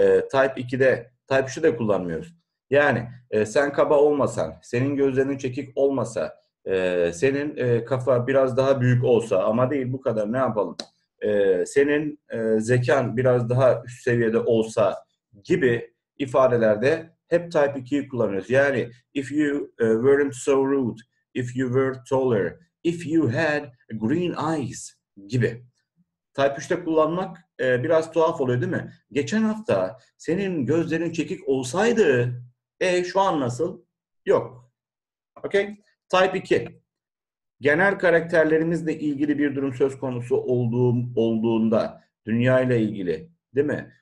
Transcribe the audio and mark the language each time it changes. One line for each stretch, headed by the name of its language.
Turkish: Type 2'de, Type 3'ü de kullanmıyoruz. Yani sen kaba olmasan, senin gözlerinin çekik olmasa, senin kafa biraz daha büyük olsa ama değil bu kadar ne yapalım? Senin zekan biraz daha üst seviyede olsa gibi ifadelerde hep Type 2'yi kullanıyoruz.
English: Yani if you weren't so rude, if you were taller, if you had green eyes gibi.
Turkish: Type 3'te kullanmak biraz tuhaf oluyor değil mi? Geçen hafta senin gözlerin çekik olsaydı, şu an nasıl? Yok. Okay. Type 2. Genel karakterlerimizle ilgili bir durum söz konusu olduğunda, dünya ile ilgili, değil mi?